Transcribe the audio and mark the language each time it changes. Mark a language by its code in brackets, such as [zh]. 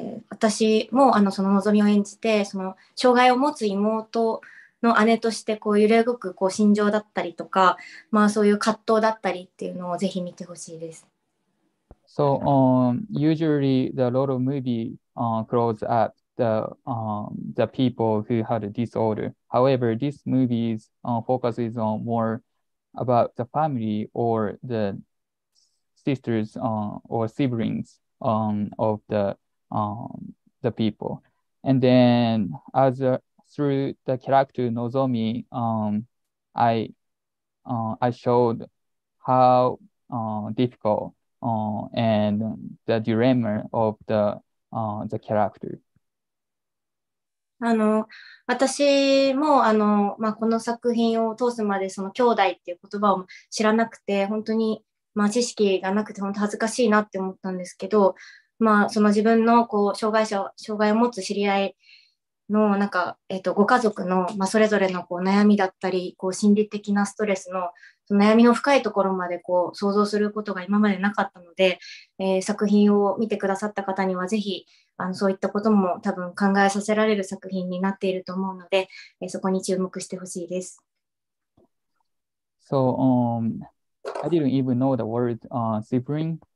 [ja] 私もあのそののぞみを演じて、その障害を持つ妹の姉としてこう揺れ動くこう心情だったりとか、まあ、そういう葛藤だったりっていうのをぜひ見てほしいです。 [en] So, usually the lot of movie, close up. The people who had a disorder. However, this movie's focuses on more about the family or the sisters or siblings of the people. And then as through the character Nozomi, I showed how difficult and the dilemma of the character. [ja] あの私もあの、まあ、この作品を通すまでその兄弟っていう言葉を知らなくて、本当に、まあ、知識がなくて本当恥ずかしいなって思ったんですけど、まあ、その自分のこう障害を持つ知り合いのなんか、ご家族の、まあ、それぞれのこう悩みだったりこう心理的なストレス その悩みの深いところまでこう想像することが今までなかったので、作品を見てくださった方にはぜひあのそういったことも多分考えさせられる作品になっていると思うので、そこに注目してほしいです。 [en] So, I didn't even know the word sibling.